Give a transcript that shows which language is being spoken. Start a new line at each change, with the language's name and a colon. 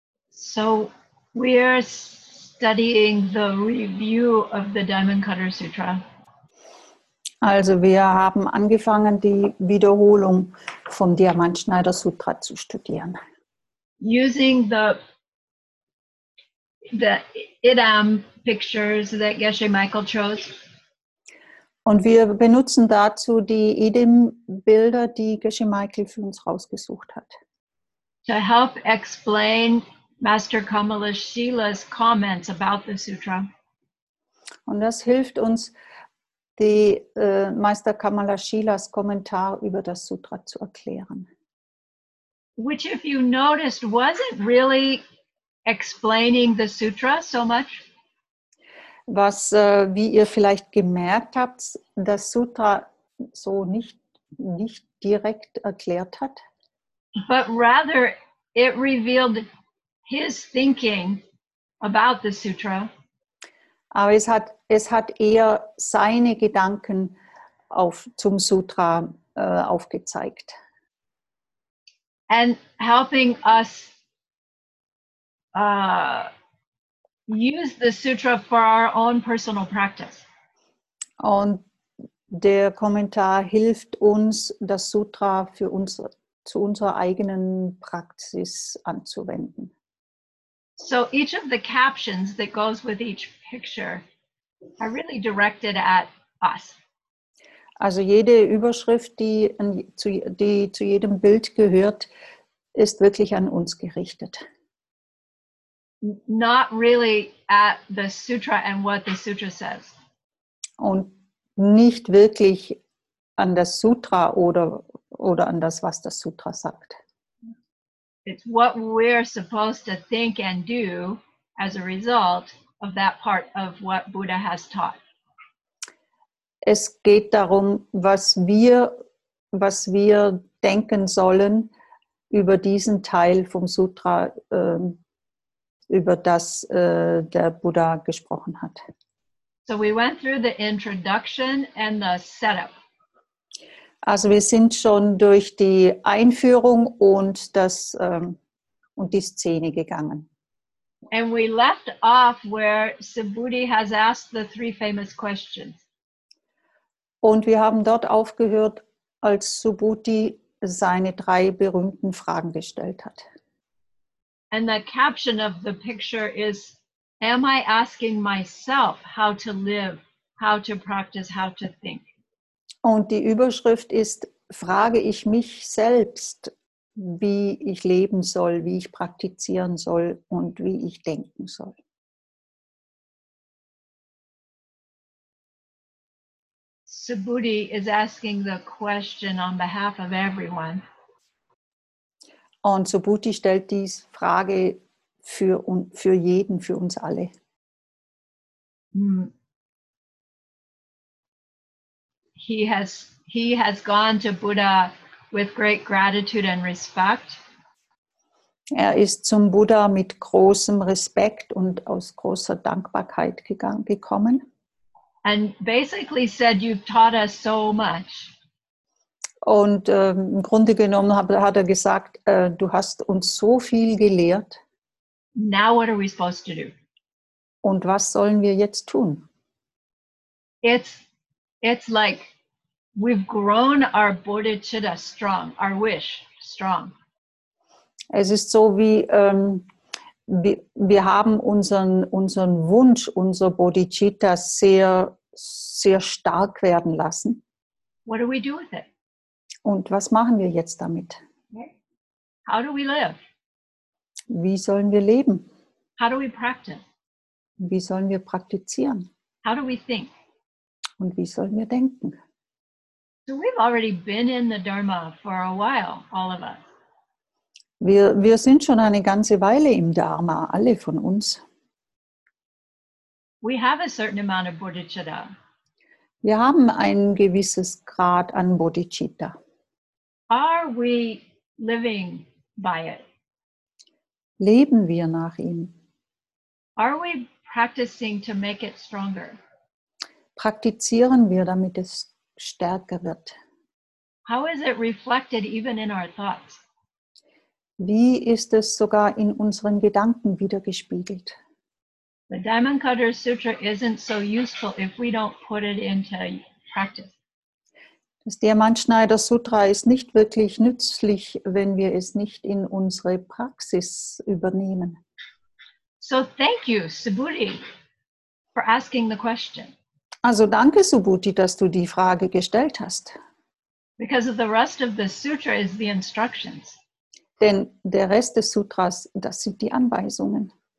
English: So, we are studying the review of the Diamond Cutter Sutra.
German: Also, wir haben angefangen, die Wiederholung vom Diamantschneider Sutra zu studieren.
English: Using the Idam pictures that Geshe Michael chose.
German: Und wir benutzen dazu die Idam-Bilder, die Geshe Michael für uns rausgesucht hat.
English: To help explain Master Kamala Shila's comments about the Sutra.
German: Und das hilft uns, die Meister Kamala Shilas Kommentar über das Sutra zu erklären.
English: Which, if you noticed, wasn't really explaining the Sutra so much.
German: Was, wie ihr vielleicht gemerkt habt, das Sutra so nicht direkt erklärt hat.
English: But rather, it revealed his thinking about the Sutra.
German: Aber es hat eher seine Gedanken zum Sutra aufgezeigt.
English: And helping us use the sutra for our own personal practice.
German: Und der Kommentar hilft uns, das Sutra zu unserer eigenen Praxis anzuwenden.
English: So each of the captions that goes with each picture are really directed at us.
German: Also jede Überschrift, die zu jedem Bild gehört, ist wirklich an uns gerichtet.
English: Not really at the sutra and what the sutra says.
German: Und nicht wirklich an das Sutra oder an das, was das Sutra sagt.
English: It's what we're supposed to think and do as a result of that part of what Buddha has taught.
German: Es geht darum, was wir denken sollen über diesen Teil vom Sutra, über das der Buddha gesprochen hat.
English: So we went through the introduction and the setup.
German: Also wir sind schon durch die Einführung und die Szene gegangen.
English: And we left off where Subhuti has asked the three famous questions.
German: Und wir haben dort aufgehört, als Subhuti seine drei berühmten Fragen gestellt hat.
English: And the caption of the picture is, am I asking myself how to live, how to practice, how to think?
German: Und die Überschrift ist, frage ich mich selbst, wie ich leben soll, wie ich praktizieren soll und wie ich denken soll.
English: Subhuti is asking the question on behalf of everyone.
German: Und Subhuti stellt die Frage für jeden, für uns alle.
English: He has gone to Buddha with great gratitude and respect.
German: Er ist zum Buddha mit großem Respekt und aus großer Dankbarkeit gekommen.
English: And basically said, you've taught us so much.
German: Und im Grunde genommen hat er gesagt, du hast uns so viel gelehrt.
English: Now what are we supposed to do?
German: Und was sollen wir jetzt tun?
English: It's like we've grown our bodhicitta strong, our wish strong.
German: Es ist so wie wir haben unseren Wunsch, unser Bodhicitta sehr sehr stark werden lassen.
English: What do we do with it?
German: Und was machen wir jetzt damit?
English: How do we live?
German: Wie sollen wir leben?
English: How do we practice?
German: Wie sollen wir praktizieren?
English: How do we think?
German: Und wie sollen wir denken?
English: So we've already been in the Dharma for a while, all of us.
German: Wir sind schon eine ganze Weile im Dharma, alle von uns.
English: We have a certain amount of bodhicitta.
German: Wir haben ein gewisses Grad an bodhicitta.
English: Are we living by it?
German: Leben wir nach ihm?
English: Are we practicing to make it stronger?
German: Praktizieren wir, damit es stärker wird?
English: How is it reflected even in our thoughts?
German: Wie ist es sogar in unseren Gedanken wiedergespiegelt?
English: The Diamond Cutter Sutra isn't so useful if we don't put it into practice.
German: Das Diamantschneider-Sutra ist nicht wirklich nützlich, wenn wir es nicht in unsere Praxis übernehmen.
English: So thank you, Subhuti, for asking the question.
German: Also danke, Subhuti, dass du die Frage gestellt hast.
English: Because of the rest of the sutra is the instructions.
German: Denn der Rest des Sutras, das sind die Anweisungen.